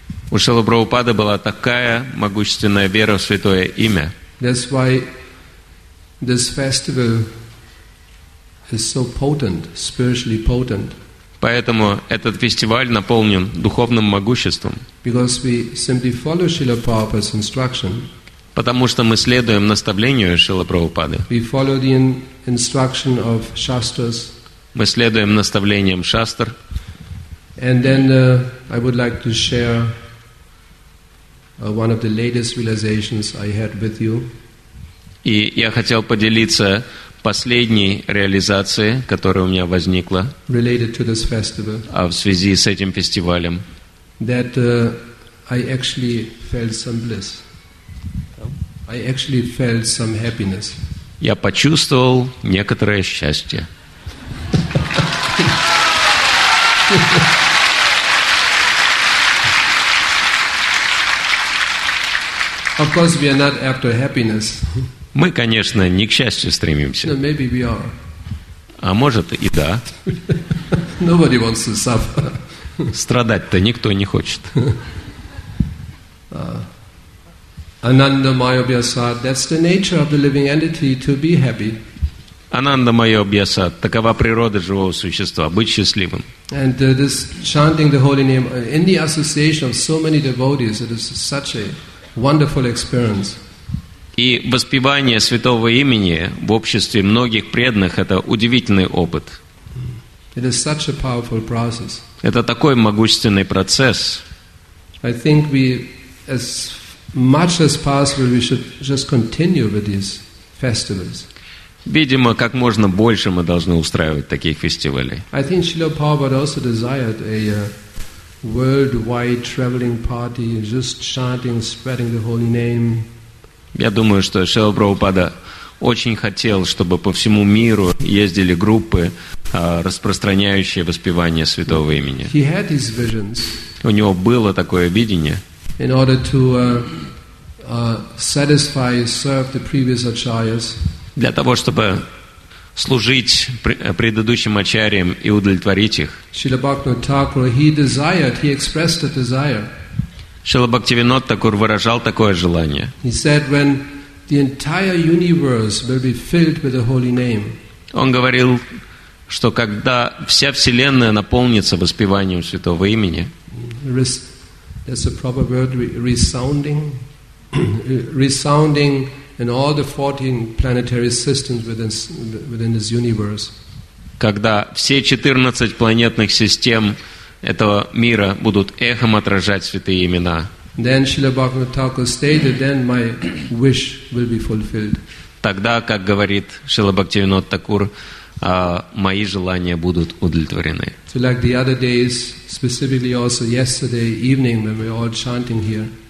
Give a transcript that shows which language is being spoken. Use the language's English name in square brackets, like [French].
[Russian] У Шрилы Прабхупады была такая могущественная вера в святое имя. [English] That's why this festival is so potent, spiritually potent. [Russian] Поэтому этот фестиваль наполнен духовным могуществом. [English] Because we simply follow Srila Prabhupada's instruction. [Russian] Потому что мы следуем наставлению Шрилы Прабхупады. [English] We follow the instruction of Shastras. [Russian] Мы следуем наставлениям Шастр. [English] And then I would like to share one of the latest realizations I had with you. [Russian] И я хотел поделиться последней реализацией, которая у меня возникла. [English] Related to this festival. [Russian] А в связи с этим фестивалем. [English] That I actually felt some bliss. I actually felt some happiness. [Russian] Я почувствовал некоторое счастье. [English] Of course, we are not after happiness. [Russian] Мы, конечно, не к счастью стремимся. [English] No, maybe we are. [Russian] А может и да. [English] Nobody wants to suffer. [Russian] Страдать-то никто не хочет. [English] Anandamaya Vyasad, that's the nature of the living entity to be happy. [Russian] Анандамая обьясад. Такова природа живого существа. Быть счастливым. [English] And this chanting the holy name in the association of so many devotees, it is such a wonderful experience. [Russian] И воспевание святого имени в обществе многих преданных – это удивительный опыт. [English] It is such a powerful process. [Russian] Это такой могущественный процесс. [English] I think we, as much as possible, we should just continue with these festivals. [Russian] Видимо, как можно больше мы должны устраивать таких фестивалей. [English] I think Srila Prabhupada also desired a worldwide traveling party, just chanting, spreading the holy name. [Russian] Я думаю, что Шрила Прабхупада очень хотел, чтобы по всему миру ездили группы, распространяющие воспевание святого имени. [English] He had his visions. [Russian] У него было такое видение. [English] In order to satisfy, serve the previous acharyas. [Russian] Для того, чтобы служить предыдущим ачарьям и удовлетворить их. [English] Шрила Бхактивинода Тхакура, he desired, he expressed a desire. [Russian] Шрила Бхактивинод Такур выражал такое желание. [English] He said, when the entire universe will be filled with the holy name. [Russian] Он говорил, что когда вся вселенная наполнится воспеванием святого имени. [English] That's a proper word, resounding. Resounding in all the 14 planetary systems within this universe. [Russian] Когда все 14 планетных систем этого мира будут эхом отражать святые имена. [English] Then Srila Bhaktivinoda Thakur stated, then my wish will be fulfilled. [Russian] Тогда, как говорит Шрила Бхактивинода Такур, мои желания будут удовлетворены. [English] So like the other days, specifically also yesterday evening when we were all chanting here.